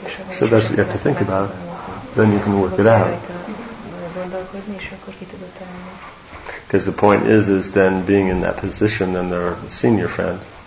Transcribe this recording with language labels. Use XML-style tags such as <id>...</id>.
<en>So that's what you have to think about. Then you can work it out.</en> <hu>gondolkodni, és akkor ki tudod találni.</hu> <en>Because the point is then being in that position, then they're a senior friend.</en>